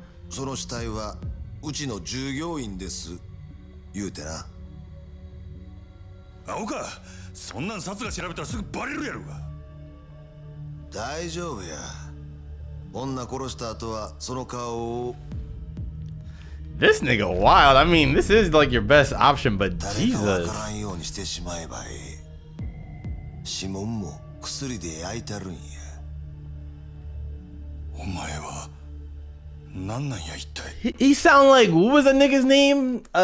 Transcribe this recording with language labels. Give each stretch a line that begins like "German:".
Japanese: その死体はうちの従業員です。言うてな。青川、そんなん殺が調べたらすぐバレるやろが。大丈夫や。女殺した後はその顔を。
English: This nigga wild. I mean, this is like your best option, but Jesus.
Japanese: 誰かわからんようにしてしまえばいい。指紋も薬で焼いてるんや。お前は何なんや一体。
English: He sound like what was that nigga's name?